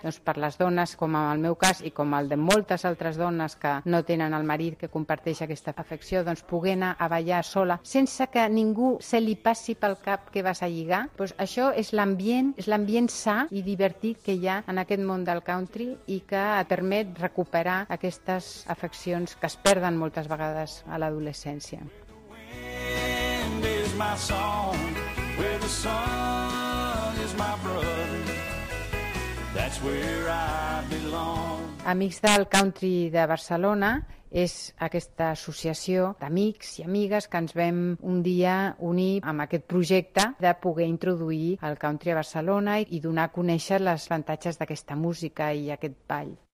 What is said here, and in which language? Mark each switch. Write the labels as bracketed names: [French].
[Catalan] Doncs per les dones, com en el meu cas i com el de moltes altres dones que no tenen el marit que comparteix aquesta afecció, doncs poder anar a ballar sola sense que ningú se li passi pel cap que vas a lligar. Doncs això és l'ambient sa i divertit que hi ha en aquest món del country i que et permet recuperar aquestes afeccions que es perden moltes vegades a l'adolescència. [English] Where the wind is my song, where the sun is my brother, that's where I belong. [Catalan] Amics del Country de Barcelona és aquesta associació d'amics i amigues que ens vam un dia unir amb aquest projecte de poder introduir el country a Barcelona i donar a conèixer els avantatges d'aquesta música i aquest ball.